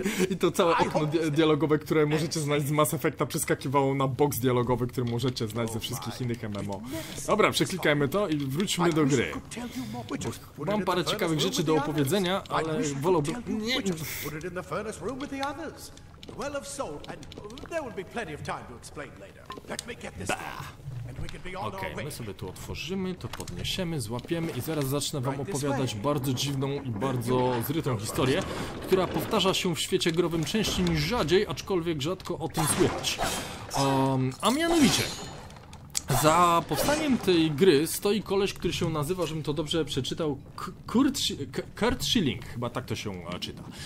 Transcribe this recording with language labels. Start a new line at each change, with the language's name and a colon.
Polish: I to całe okno dialogowe, które możecie znać z Mass Effecta, przeskakiwało na boks dialogowy, który możecie znać ze wszystkich innych MMO. Dobra, przeklikajmy to i wróćmy do gry. Bo mam parę ciekawych rzeczy do opowiedzenia, ale wolałbym... Nie.
English: Well of soul, and there will be plenty of time to explain later. Let me get this back, and we can be on our way.
Polish: Okay, my sobie tu otworzymy, to podniesiemy, złapiemy i zaraz zacznę wam opowiadać bardzo dziwną i bardzo zrytą historię, która powtarza się w świecie growym częściej niż rzadziej, aczkolwiek rzadko o tym słychać. A mianowicie, za powstaniem tej gry stoi koleś, który się nazywa, żebym to dobrze przeczytał, Kurt Schilling, chyba tak to się czyta.